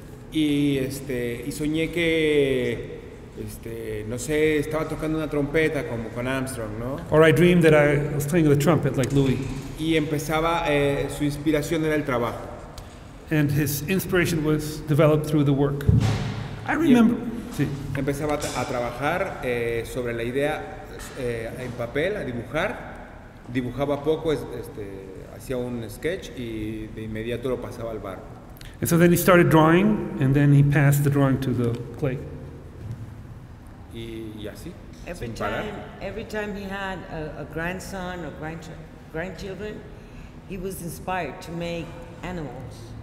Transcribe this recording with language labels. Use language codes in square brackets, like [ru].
[es] Y soñé que, no sé, estaba tocando una trompeta como con Armstrong, ¿no? [en] Or I dreamed that I was playing the trumpet like Louis. [es] Y empezaba, su inspiración era el trabajo. [en] And his inspiration was developed through the work. I remember. [es] Sí. Empezaba a trabajar sobre la idea en papel, a dibujar. Dibujaba poco, hacía un sketch y de inmediato lo pasaba al bar. [en] And so then he started drawing, and then he passed the drawing to the clay. [es] Y así. [en] Every time he had a grandson or grandchildren, he was inspired to make animals.